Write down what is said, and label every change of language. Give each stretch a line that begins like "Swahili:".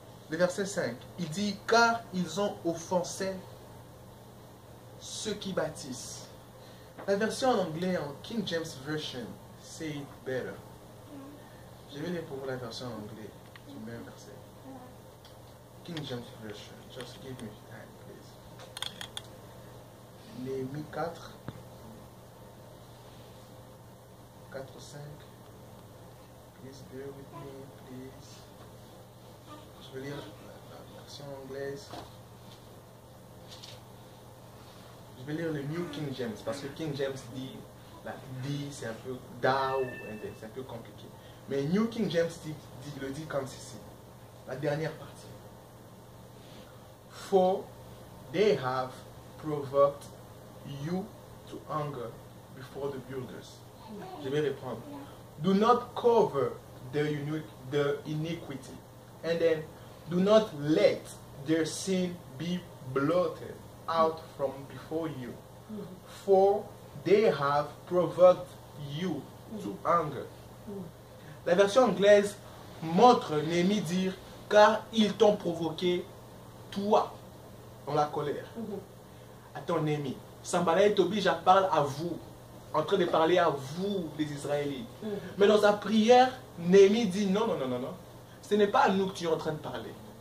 French: Le verset 5, il dit, « Car ils ont offensé ceux qui bâtissent. » La version en anglais, en King James Version, «
English: Say it better.
French: » Je vais lire pour vous la version en anglais du même verset.
English: King James Version, just give me time, please.
French: Néhémie 4, 4, 5.
English: Please bear with me, please.
French: Je vais lire la version anglaise. Je vais lire le New King James, parce que King James dit, la D, c'est un peu DAO, c'est un peu compliqué. Mais New King James le dit comme ceci. La dernière partie.
English: For they have provoked you to anger before the builders.
French: Je vais répondre.
English: Do not cover the iniquity. And then, do not let their sin be blotted out from before you. For they have provoked you to anger.
French: La version anglaise montre Néhémie dire, car ils t'ont provoqué, toi. Dans la colère. Attends, Néhémie. Sambala et Tobija parle à vous. En train de parler à vous, les Israélites. Mais dans sa prière, Néhémie dit non, non, non, non, non. Ce n'est pas à nous que tu es en train de parler.